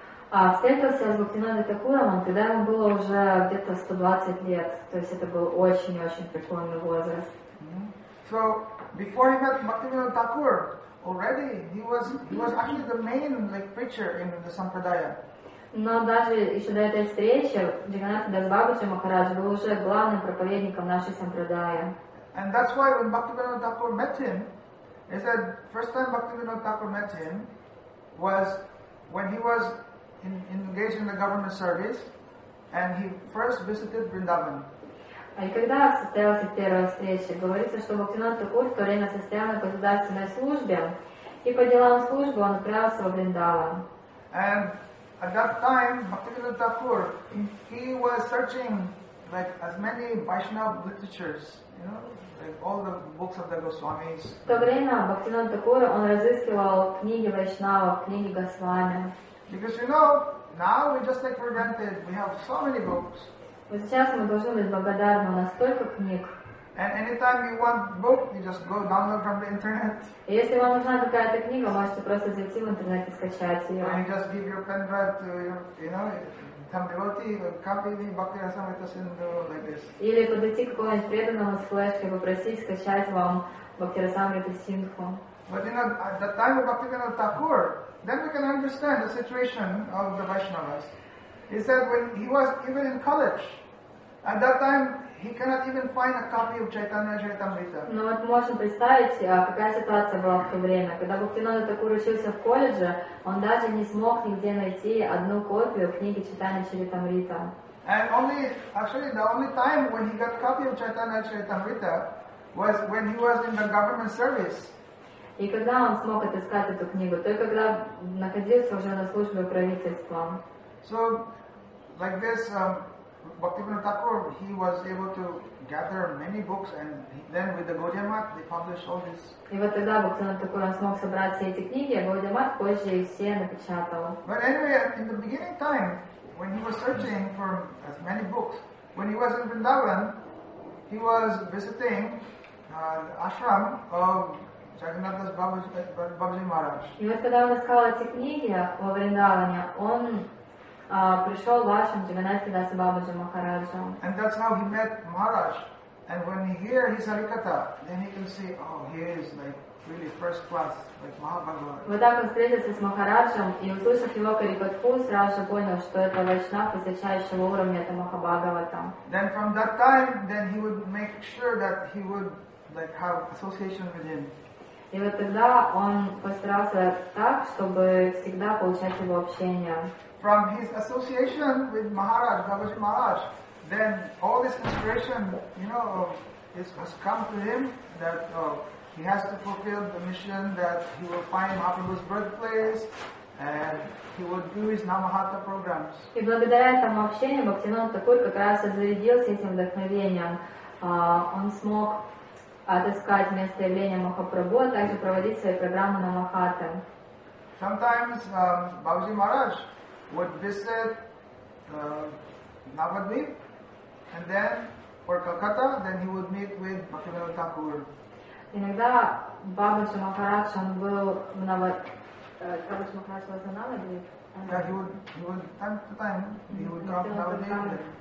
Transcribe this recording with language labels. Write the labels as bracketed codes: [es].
[ru] А встретился с Бхактивинодой Такуром, когда ему было уже где-то 120 лет, то есть это был очень-очень преклонный возраст. [en] So, before he met Bhaktivinoda Thakur, already he was actually the main preacher in the Sampradaya. [ru] Но даже еще до этой встречи Джаганнатха Дас Бабаджи Махарадж был уже главным проповедником нашей Сампрадая. [en] And that's why when Bhaktivinoda Thakur met him, he said, first time Bhaktivinoda Thakur met him was when he was engaged in the government service, and he first visited Vrindavan. [ru] И когда состоялась первая встреча, говорится, что Бхактивинода Такур в то время состоял на государственной службе, и по делам службы он отправился в Вриндаван. [en] And at that time, Bhaktivinoda Thakur, he was searching as many Vaishnava literatures, you know, all the books of the Goswamis. [ru] В то время Бхактивинода Такур, он разыскивал книги Вайшнава, книги Госвами. [en] Because you know, now we just take for granted we have so many books. [ru] Вот сейчас мы должны быть благодарны, у нас столько книг. [en] And anytime you want book, you just go download from the internet. [ru] И если вам нужна какая-то книга, можете просто зайти в интернет и скачать ее. [en] And you just give your pen drive to some devotee, copy the Bhakti Rasamrita Sindhu like this. [ru] Или подойти к какому-нибудь преданному с флешкой, попросить скачать вам Бхакти Расамрита Синдху. [en] But you know, at the time of Bhaktivinoda Thakur, then we can understand the situation of the Vaishnavas. He said when he was even in college, at that time he cannot even find a copy of Chaitanya Charitamrita. [ru] Но вот мы можем представить, какая ситуация была в то время, когда Бхактивинода Такур учился в колледже, он даже не смог нигде найти одну копию книги Чайтанья Чаритамрита. [en] And only, actually, the only time when he got a copy of Chaitanya Charitamrita was when he was in the government service. [ru] И когда он смог отыскать эту книгу, только когда находился уже на службе у правительства. [en] So, like this, Bhaktivinoda Thakur, he was able to gather many books, and then with the Gaudiya Math, they published all this. [ru] И вот тогда Бхактивинода Такур смог собрать все эти книги, а Gaudiya Math позже их все напечатала. [en] But anyway, in the beginning time, when he was searching for as many books, when he was in Vrindavan, he was visiting the ashram of Jagannath Das Babaji Maharaj. [ru] И вот когда он искал эти книги во Вриндаване, он пришел в ашрам Джаганнатхи Даса Бабаджи Махараджа. [en] And that's how he met Maharaj. And when he hears his Harikatha, then he can see, he is really first class, Mahabhagavata. [ru] Вот так он встретился с Махараджем, и услышав его Харикатху, сразу же понял, что это Вайшнав высочайшего уровня, это Махабхагавата. [en] Then from that time, then he would make sure that he would have association with him. [ru] И вот тогда он постарался так, чтобы всегда получать его общение. [en] From his association with Maharaj, Babaji Maharaj, then all this inspiration, has come to him that he has to fulfill the mission that he will find Mahaprabhu's birthplace, And he would do his Namahatha programs. [ru] И благодаря этому общению Бхактинанда Такур как раз и зарядился этим вдохновением. Он смог отыскать место явления Махапрабху, а также проводить свои программы Намахатта. [en] Sometimes Бабаджи Махарадж would visit Navadvip, and then for Calcutta, then he would meet with Bhaktivinoda Thakur. [ru] Иногда Бабаджи Махарадж он был в Бабаджи Махарадж [en] was in Navadvip. Yeah, he would time to time he would come to Navadvip.